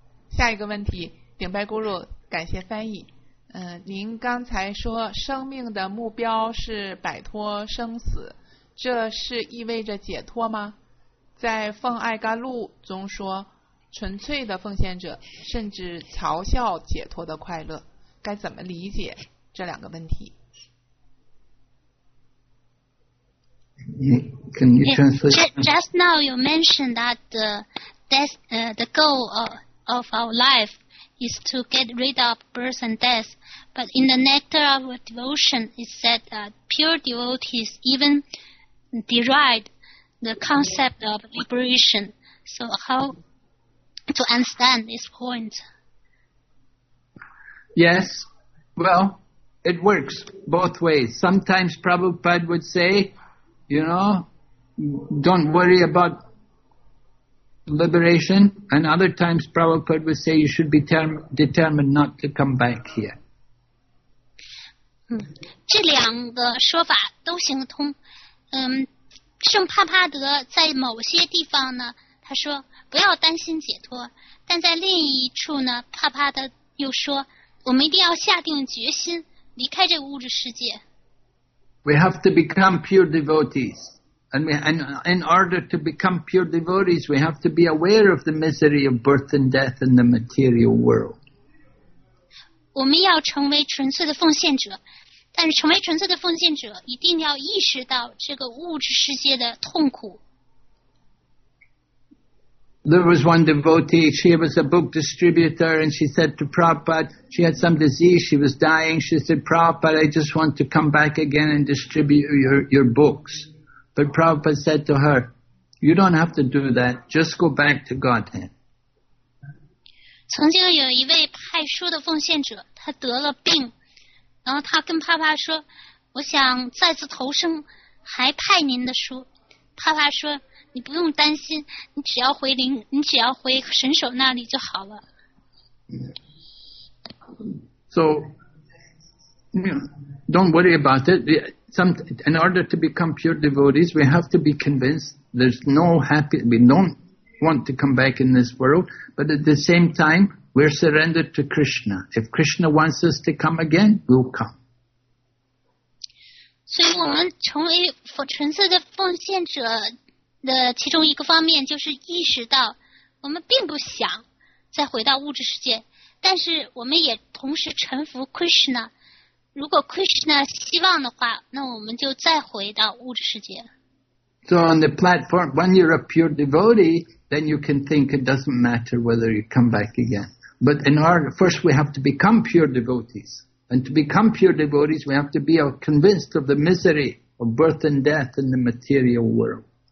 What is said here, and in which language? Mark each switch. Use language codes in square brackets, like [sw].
[zh] 下一个问题，顶拜咕噜，感谢翻译。您刚才说生命的目标是摆脱生死，这是意味着解脱吗？在《奉爱甘露》中说，纯粹的奉献者甚至嘲笑解脱的快乐，该怎么理解这两个问题？ [en] Can you translate? Just now you mentioned that the goal of our life is to get rid of birth and death. But in the Nectar of Devotion, it said that pure devotees even deride the concept of liberation. So how to understand this point? Yes, well, it works both ways. Sometimes Prabhupada would say,You know, don't worry about liberation. And other times Prabhupada would say you should be determined not to come back here. [zh] 这两个说法都行通。圣帕帕德在某些地方呢，他说不要担心解脱。但在另一处呢，帕帕德又说我们一定要下定决心离开这个物质世界。 [en] We have to become pure devotees. And in order to become pure devotees, we have to be aware of the misery of birth and death in the material world. [zh] 我们要成为纯粹的奉献者，但是成为纯粹的奉献者，一定要意识到这个物质世界的痛苦。 [en] There was one devotee, she was a book distributor, and she said to Prabhupada, she had some disease, she was dying, she said, Prabhupada, I just want to come back again and distribute your books. But Prabhupada said to her, you don't have to do that, just go back to Godhead. [zh] 曾经有一位派书的奉献者，他得了病，然后他跟帕帕说，我想再次投生，还派您的书。帕帕说，你不用担心，你只要回神手那里就好了。 [en] So, don't worry about it. In order to become pure devotees, we have to be convinced there's no happy. We don't want to come back in this world. But at the same time, we're surrendered to Krishna. If Krishna wants us to come again, we'll come. [zh] 所以我们成为纯粹的奉献者。的其中一个方面就是意识到我们并不想再回到物质世界，但是我们也同时臣服 Krishna。如果 Krishna 希望的话，那我们就再回到物质世界。 [en] So on the platform, when you're a pure devotee, then you can think it doesn't matter whether you come back again. But in order, first we have to become pure devotees. And to become pure devotees, we have to be convinced of the misery of birth and death in the material world.